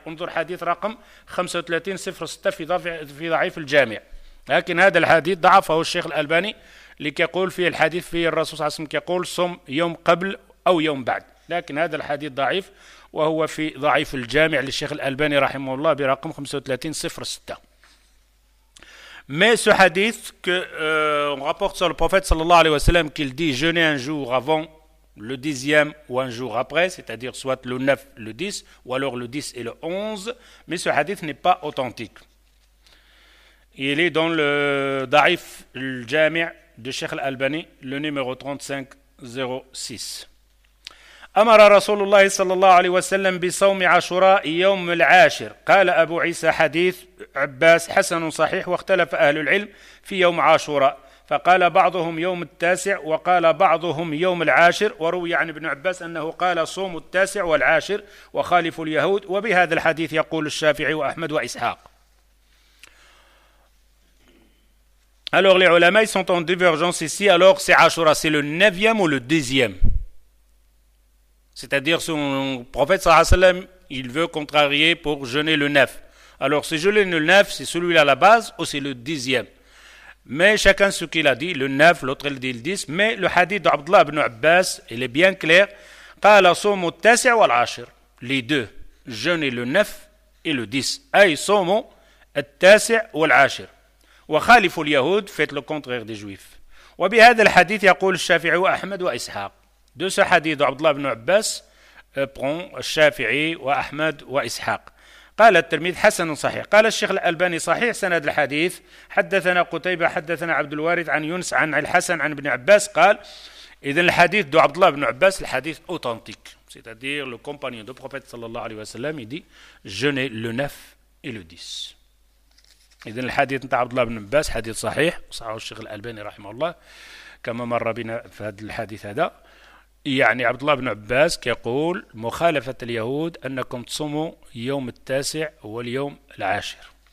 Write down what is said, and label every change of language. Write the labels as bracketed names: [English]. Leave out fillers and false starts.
[Arabic] انظر حديث رقم 3506 في ضعيف الجامع. لكن هذا الحديث ضعفه الشيخ الألباني لكي يقول فيه الحديث فيه الرسول صلى الله عليه وسلم يقول صم يوم قبل أو يوم بعد. لكن هذا الحديث ضعيف وهو في ضعيف الجامع للشيخ الألباني رحمه الله برقم 3506. [French] Mais ce hadith qu'on rapporte sur le prophète sallallahu alayhi wa sallam qu'il dit jeûner un jour avant le dixième ou un jour après, c'est-à-dire soit le 9, le 10 ou alors le 10 et le 11, mais ce hadith n'est pas authentique. Il est dans le Da'if al-Jami' de Cheikh al-Albani, le numéro 3506. [Arabic] أمر رسول الله صلى الله عليه وسلم بصوم عاشوراء يوم العاشر. قال أبو عيسى حديث عباس حسن صحيح واختلف أهل العلم في يوم عاشوراء. فقال بعضهم يوم التاسع وقال بعضهم يوم العاشر. وروي عن ابن عباس أنه قال صوم التاسع والعاشر وخالف اليهود. وبهذا الحديث يقول الشافعي وأحمد وإسحاق. [French] Alors les ulama ils sont en divergence ici. Alors c'est عاشوراء c'est le neuvième ou le dixième? C'est-à-dire, si le prophète, sallallahu alayhi wa sallam, il veut contrarier pour jeûner le 9. Alors, si jeûner le 9, c'est celui-là la base ou c'est le 10e? Mais chacun ce qu'il a dit, le 9, l'autre il dit le 10. Mais le hadith d'Abdullah ibn Abbas, il est bien clair. [Arabic] Qala sawmu at-tasi' wa al-ashir. [French] Les deux, jeûner le 9 et le 10. [Arabic] Ay sawmu at-tasi' wa al-ashir. Wa khalifu al-yahoud, [French] faites le contraire des juifs. [Arabic] Wa bi hadha al-hadith yaqul al-Shafi'i wa Ahmad wa Ishaq. [French] De ce hadith d'Abdullah ibn Abbas prend Shafi'i wa Ahmad wa Ishaq. [Arabic] قال الترمذي حسن صحيح. قال الشيخ الألباني صحيح سند الحديث. حدثنا قتيبة حدثنا عبد الوارث عن يونس عن الحسن عن ابن عباس قال إذن الحديث d'Abdullah ibn Abbas الحديث authentique. [French] C'est-à-dire le compagnon du prophète sallallahu alayhi wa sallam il dit jeûner le 9 et le 10. [Arabic] إذن الحديث نتاع عبد الله بن عباس حديث صحيح صحه الشيخ الألباني رحمه الله كما مر بنا في هذا الحديث هذا. يعني عبد الله بن عباس يقول مخالفة اليهود أنكم تصوموا يوم التاسع واليوم العاشر.